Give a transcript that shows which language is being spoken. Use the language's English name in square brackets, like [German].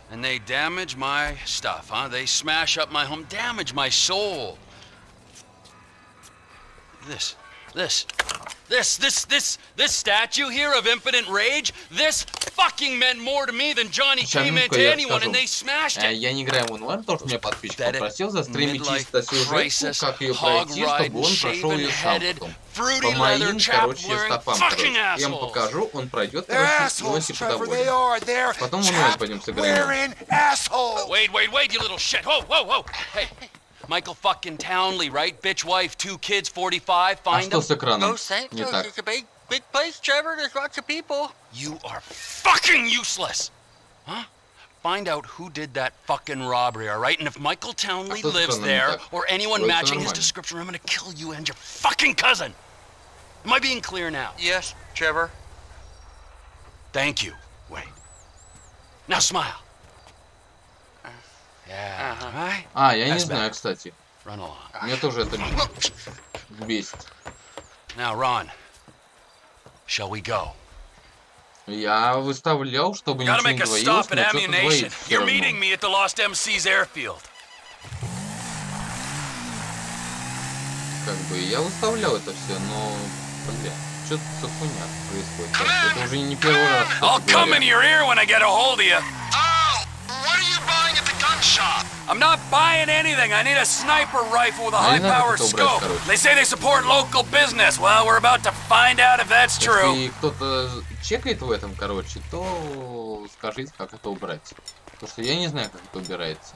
[English] And they damage my stuff, huh? They smash up my home, damage my soul! This statue here of impotent rage, this fucking meant more to me than Johnny K meant to anyone, and they smashed it. [Russian] Я не играю в онлайн, потому что меня подписчик попросил застримить чисто сюжетку, как ее пройти, чтобы он прошел ее сам потом. По моим, короче, стопам, короче. Я вам покажу, он пройдет, короче, с носи подоволен. Потом мы вновь пойдем сыграем. [English] Wait, you little shit. Whoa. Hey. Michael fucking Townley, right? Bitch, wife, two kids, 45, find them? [Russian] А что с экраном? Не так. [English] big place, Trevor. There's lots of people. You are fucking useless! Huh? Find out who did that fucking robbery, all right? And if Michael Townley lives there, or anyone matching his description, I'm gonna kill you and your fucking cousin! Am I being clear now? Yes, Trevor. Thank you, Wayne. Now smile. Yeah, all right? [Russian] Я не знаю, кстати. [English] Run along. [Russian] Мне тоже это бесит. [English] Now, Ron, shall we go? [Russian] Я выставлял, чтобы ничего не двоилось, но что-то двоится все равно. [English] You're meeting me at the Lost MC's airfield. [Russian] Как бы я выставлял это все, но, бля, что-то за хуйня происходит. Это уже не первый раз. [English] I'll come in your ear when I get a hold of you. What are you buying at the gun shop? I'm not buying anything. I need a sniper rifle with a high-power scope. They say they support local business. Well, we're about to find out if that's true. [Russian] Если кто-то чекает в этом, короче, то скажите, как это убрать. Потому что я не знаю, как это убирается.